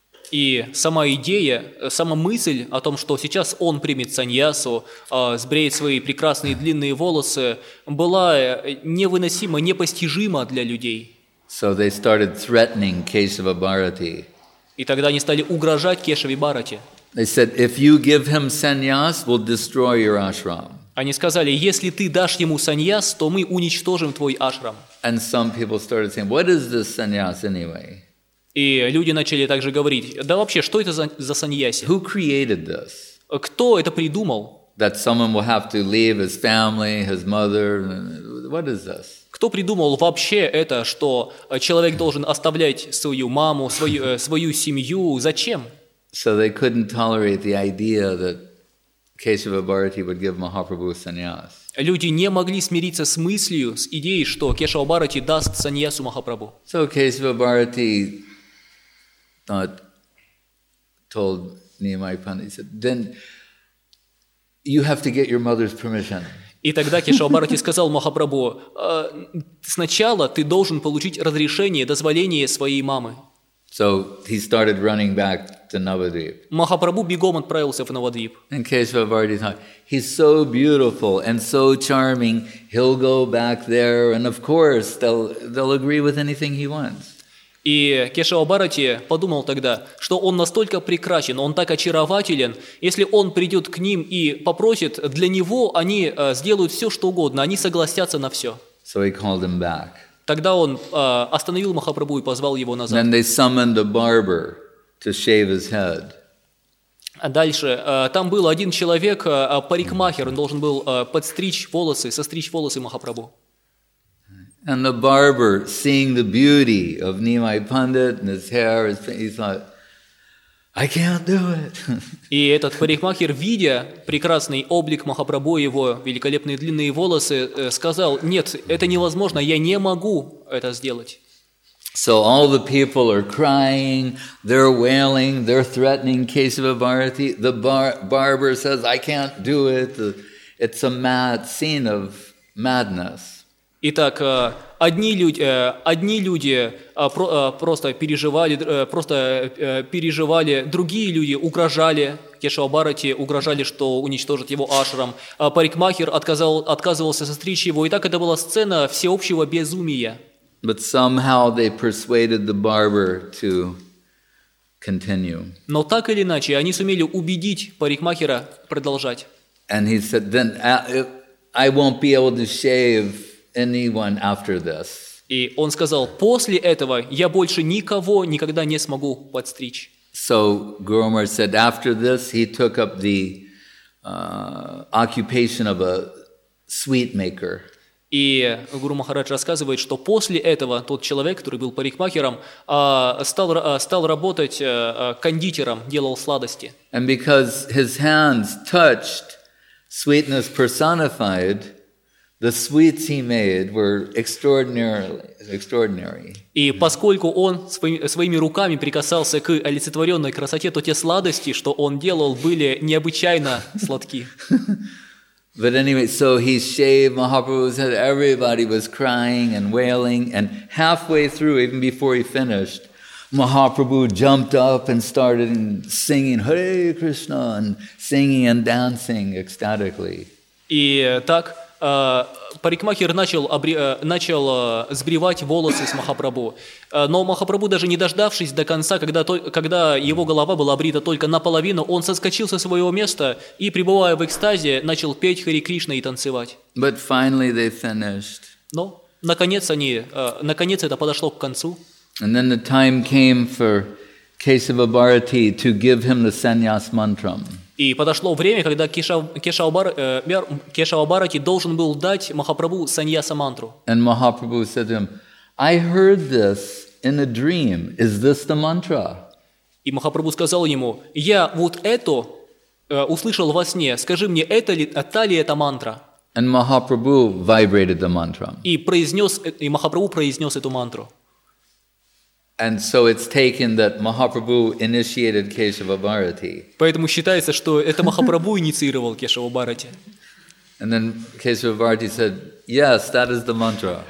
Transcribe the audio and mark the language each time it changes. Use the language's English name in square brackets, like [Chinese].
[Russian] И сама идея, сама мысль о том, что сейчас он примет саньясу, сбреет свои прекрасные длинные волосы, была невыносима, непостижима для людей. [English] So they started threatening Keshava Bharati. [Russian] И тогда они стали угрожать Кешаве Бхарати. [English] They said, if you give him sannyas, we'll destroy your ashram. [Russian] Они сказали, если ты дашь ему саньяс, то мы уничтожим твой ашрам. [English] And some people started saying, what is this sannyas anyway? [Russian] И люди начали также говорить, да вообще, что это за саньяси? [English] Who created this? [Russian] Кто это придумал? [English] That someone will have to leave his family, his mother, what is this? [Russian] Кто придумал вообще это, что человек должен оставлять свою маму, свою семью, зачем? [English] So they couldn't tolerate the idea that Keshava Bharati would give Mahaprabhu sannyas. [Russian] Люди не могли смириться с мыслью, с идеей, что Кешава Бхарати даст саньясу Махапрабху. [English] So Keshava Bharati told Nimai Pandit, he said, then you have to get your mother's permission. [Russian] И тогда Кешава Бхарати сказал Махапрабху, сначала ты должен получить разрешение, дозволение своей мамы. [English] So he started running back to Navadvip. [Russian] Махапрабху бегом отправился в Навадвип. [English] And Keshava Bharati thought, he's so beautiful and so charming, he'll go back there and of course they'll agree with anything he wants. [Russian] И Кешава Бхарати подумал тогда, что он настолько прекрасен, он так очарователен, если он придет к ним и попросит, для него они сделают все, что угодно, они согласятся на все. [English] So he called him back. [Russian] Тогда он остановил Махапрабху и позвал его назад. [English] Then they summoned a barber to shave his head. [Russian] Дальше, там был один человек, парикмахер, он должен был подстричь волосы, состричь волосы Махапрабху. [English] And the barber, seeing the beauty of Nimai Pandit and his hair, he thought, I can't do it. [Russian] И этот парикмахер, видя прекрасный облик Махапрабху, его великолепные длинные волосы, сказал, нет, это невозможно, я не могу это сделать. [English] So all the people are crying, they're wailing, they're threatening Keshava Bharati. The barber says, I can't do it. It's a mad scene of madness. [Russian] Итак, одни люди просто переживали, другие люди угрожали Кешава Бхарати, угрожали, что уничтожат его ашрам. Парикмахер отказывался состричь его. И так это была сцена всеобщего безумия. [English] But somehow they persuaded the barber to continue. [Russian] Но так или иначе, они сумели убедить парикмахера продолжать. [English] And he said, then I won't be able to shave anyone after this. [Russian] И он сказал, после этого я больше никого никогда не смогу подстричь. [English] So Guru Maharaj said, after this, he took up the occupation of a sweet maker. [Russian] И Гуру Махарадж рассказывает, что после этого тот человек, который был парикмахером, стал работать кондитером, делал сладости. [English] And because his hands touched sweetness personified, the sweets he made were extraordinary. [Russian] И поскольку он своими руками прикасался к олицетворенной красоте, то те сладости, что он делал, были необычайно сладки. [English] But anyway, so he shaved Mahaprabhu's head. Everybody was crying and wailing. And halfway through, even before he finished, Mahaprabhu jumped up and started singing Hare Krishna and singing and dancing ecstatically. [Russian] И так парикмахер начал сбривать волосы с Махапрабху. Но Махапрабху, даже не дождавшись до конца, когда его голова была обрита только наполовину, он соскочил со своего места и, пребывая в экстазе, начал петь Хари Кришна и танцевать. [English] But finally they finished. [Russian] Но наконец это подошло к концу. [English] And then the time came for Keshava Bharati to give him the sannyas mantram. [Russian] И подошло время, когда Кешава Бхарати должен был дать Махапрабху саньяса мантру. [English] And Mahaprabhu said to him, I heard this in a dream. Is this the mantra? [Russian] И Махапрабху сказал ему, я вот это услышал во сне. Скажи мне, та ли это мантра? [English] And Mahaprabhu vibrated the mantra. [Russian] И Махапрабху произнес эту мантру. [English] And so it's taken that Mahaprabhu initiated Keshava Bharati. [Russian] Поэтому считается, что это Махапрабху инициировал Кешава Бхарати. [English] And then Keshava Bharati said, "Yes, that is the mantra."